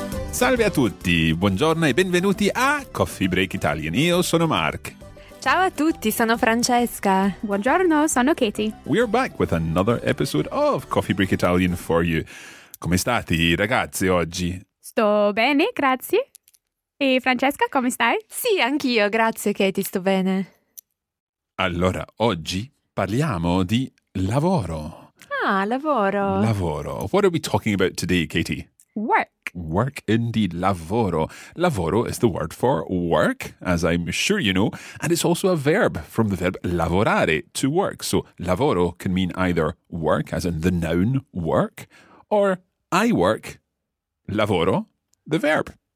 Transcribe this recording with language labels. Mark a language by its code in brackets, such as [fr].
[it] Salve a tutti, buongiorno e benvenuti a Coffee Break Italian. Io sono Mark. Ciao a tutti, sono Francesca. Buongiorno, sono Katie. [en] We are back with another episode of Coffee Break Italian for you. [it] Come state, ragazzi, oggi? Sto bene, grazie. E Francesca, come stai? Sì, anch'io, grazie, Katie, sto bene. Allora, oggi parliamo di lavoro. Ah, lavoro. Lavoro. [en] What are we talking about today, Katie? Work. Work, indeed. Lavoro. Lavoro is the word for work, as I'm sure you know, and it's also a verb from the verb lavorare, to work. So lavoro can mean either work, as in the noun work, or I work, lavoro, the verb.